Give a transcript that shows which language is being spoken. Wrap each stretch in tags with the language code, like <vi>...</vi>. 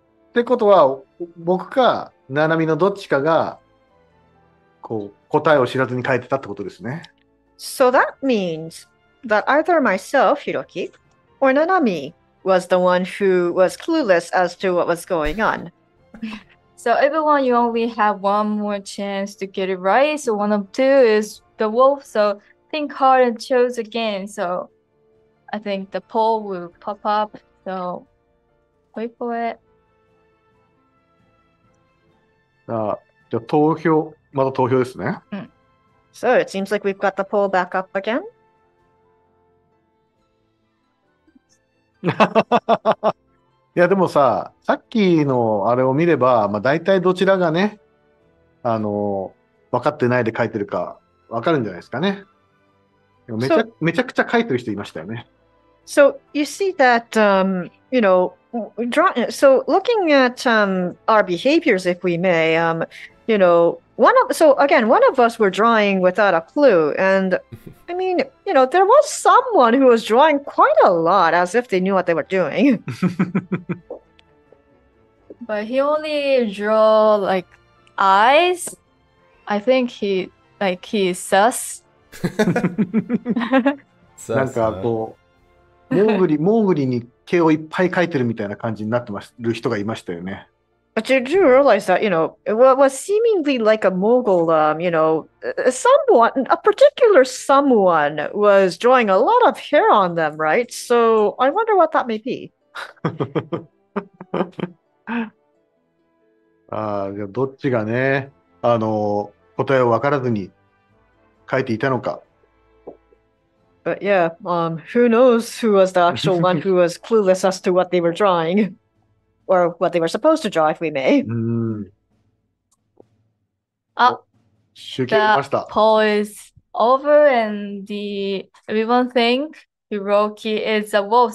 <ja>ってことは、僕か、ナナミのどっちかが、こう、答えを知らずに書いてたってことですね。</ja> <en>So that means that either myself, Hiroki, or Nanami was the one who was clueless as to what was going on. So everyone, you only have one more chance to get it right. So one of two is the wolf. So think hard and choose again. So I think the poll will pop up. So wait for it.</en> <ja>じゃあ投票、まだ投票ですね。うん。</ja> <en>So it seems like we've got the poll back up again.</en> <ja>いやでもさ、さっきのあれを見れば、まあ大体どちらがね、分かってないで書いてるか分かるんじゃないですかね。めちゃくちゃ書いてる人いましたよね。</ja> <en>So you see that, you know, so looking at our behaviors, if we may, you know,one of us were drawing without a clue, and I mean, you know, there was someone who was drawing quite a lot as if they knew what they were doing. But he only drew like eyes. I think he's sus.</en> <ja>なんかこうモーグリに毛をいっぱい描いてるみたいな感じになってる人がいましたよね。</ja> <en>But you do realize that, you know, what was seemingly like a mogul, you know, someone, a particular someone was drawing a lot of hair on them, right? So I wonder what that may be.</en> <ja>ああ、じゃあどっちがね、答えを分からずに書いていたのか。</ja> <en>But yeah, who knows who was the actual one who was clueless as to what they were drawing. Or what they were supposed to draw, if we may. The poll is over, and everyone think Hiroki is a wolf.</en>